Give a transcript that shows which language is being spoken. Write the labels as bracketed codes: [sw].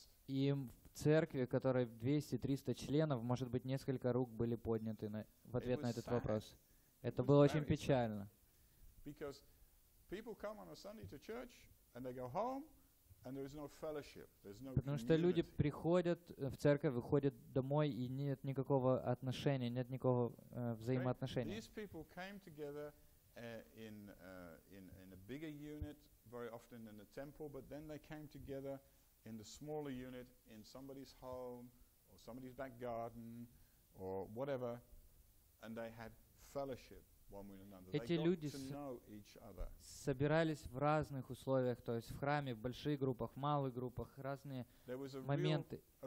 [ru] И в церкви, которой 200-300 членов, может быть, несколько рук были подняты в ответ на этот вопрос. Это было очень печально. [en] Because people come on a Sunday to church and they go home. And there is no fellowship, there's no community. [ru] Потому что люди приходят в церковь, выходят домой, и нет никакого отношения, нет никакого взаимоотношения. [en] These people came together in a bigger unit very often in the temple, but then they came together in the smaller unit in somebody's home or somebody's back garden or whatever, and they had fellowship. [ru] Эти люди собирались в разных условиях, то есть в храме, в больших группах, в малых группах, разные моменты.